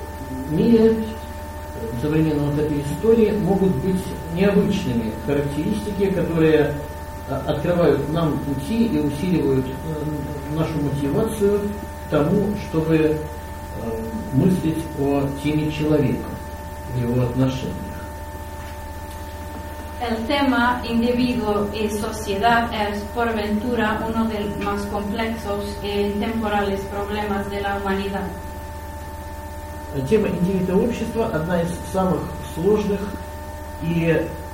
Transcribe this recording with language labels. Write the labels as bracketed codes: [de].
[ru] В современном этапе истории могут быть необычными характеристики, которые открывают нам пути и усиливают нашу мотивацию к тому, чтобы мыслить о теме человека, в его отношениях. [es] El tema individuo y sociedad es por ventura uno de los más complejos y temporales problemas de la humanidad. [ru] Тема индивида и общества одна из самых сложных и